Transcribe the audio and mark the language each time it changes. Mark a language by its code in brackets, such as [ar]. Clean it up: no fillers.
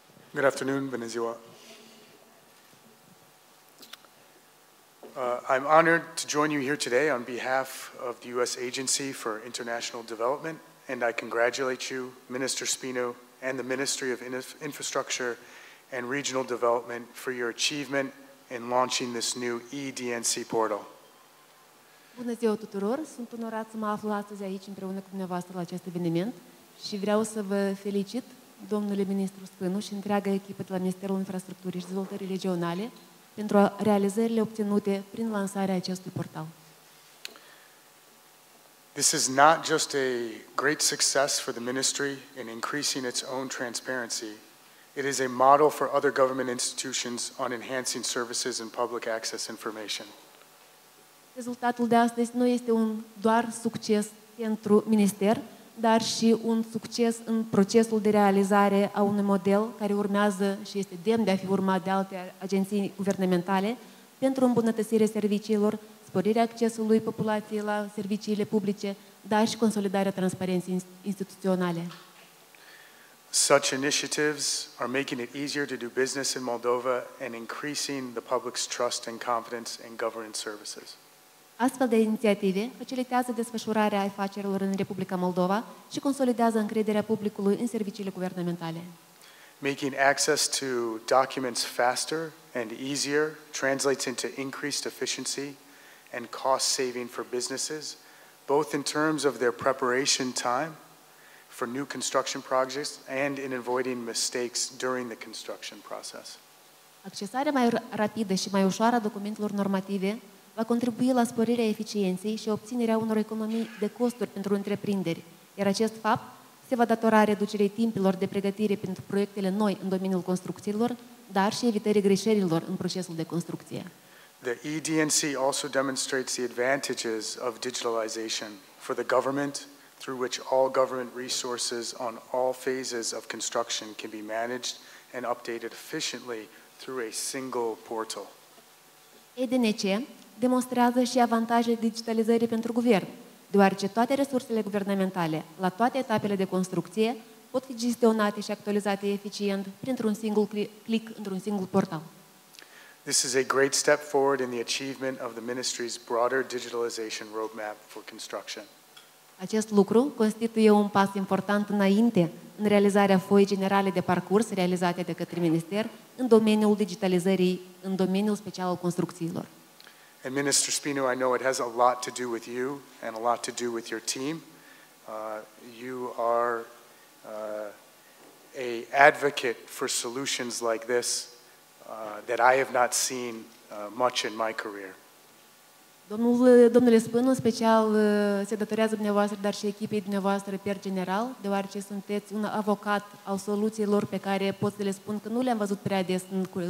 [en] Good afternoon, [ro] bună ziua. [en] I'm honored to join you here today on behalf of the U.S. Agency for International Development, and I congratulate you, Minister Spino, and the Ministry of Infrastructure and Regional Development for your achievement in launching this new eDNC portal. [ro] Bună ziua tuturor! Sunt onorat să mă aflu astăzi aici împreună cu dumneavoastră la acest eveniment și vreau să vă felicit, domnule ministru Spânu și întreaga echipă de la Ministerul Infrastructurii și Dezvoltării Regionale pentru realizările obținute prin lansarea acestui portal. [en] This is not just a great success for the ministry in increasing its own transparency. It is a model for other government institutions on enhancing services and public access information. [ro] Rezultatul de astăzi nu este un doar succes pentru minister, dar și un succes în procesul de realizare a unui model care urmează și este demn de a fi urmat de alte agenții guvernamentale pentru îmbunătățirea serviciilor, sporirea accesului populației la serviciile publice, dar și consolidarea transparenței instituționale. [en] Such initiatives are making it easier to do business in Moldova and increasing the public's trust and confidence in government services. [ro] Astfel de inițiative facilitează desfășurarea afacerilor în Republica Moldova și consolidează încrederea publicului în serviciile guvernamentale. [en] Making access to documents faster and easier translates into increased efficiency and cost saving for businesses, both in terms of their preparation time for new construction projects and in avoiding mistakes during the construction process. [ro] Accesarea mai rapidă și mai ușoară a documentelor normative va contribui la sporirea eficienței și obținerea unor economii de costuri pentru întreprinderi, iar acest fapt se va datora reducerii timpilor de pregătire pentru proiectele noi în domeniul construcțiilor, dar și evitării greșelilor în procesul de construcție. [en] The eDNC also demonstrates the advantages of digitalization for the government, through which all government resources on all phases of construction can be managed and updated efficiently through a single portal. [ro] eDNC demonstrează și avantajele digitalizării pentru guvern, deoarece toate resursele guvernamentale, la toate etapele de construcție, pot fi gestionate și actualizate eficient printr-un singur click într-un singur portal. [en] This is a great step forward in the achievement of the ministry's broader digitalization roadmap for construction. [ro] Acest lucru constituie un pas important înainte în realizarea foii generale de parcurs realizate de către minister în domeniul digitalizării, în domeniul special al construcțiilor. [en] And Minister Spino, I know it has a lot to do with you and a lot to do with your team. You are a advocate for solutions like this that I have not seen much in my career. [ro] Domnule Spino, special se datorează dumneavoastră, dar și echipei dumneavoastră per general, deoarece sunteți un avocat al soluțiilor pe care pot să le spun că nu le-am văzut prea des în